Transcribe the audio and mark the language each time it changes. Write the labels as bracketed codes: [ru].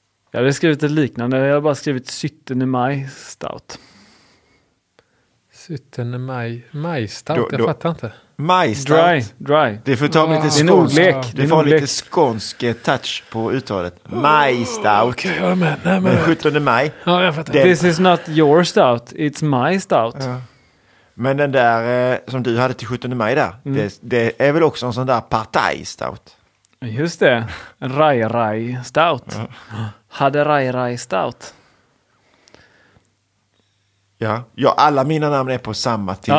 [sv] Jag hade skrivit ett liknande. Jag har bara skrivit sytten i maj stout. Sytten i maj. Majstout, jag fattar inte. Majstout. [en] Dry, dry. [sv] Det får ta lite skånsk. Det får lite skånsk touch på uttalet. Majstout. Okej, okay, men nej, men 17 maj. Ja, jag fattar. [en] This is not your stout, it's my stout. [sv] Ja. Men den där som du hade till 17 maj där, det är väl också en sån där partaj stout. Just det. Rai-rai stout. Ja. Hade rai-rai stout. Ja. Ja, alla mina namn är på samma tema.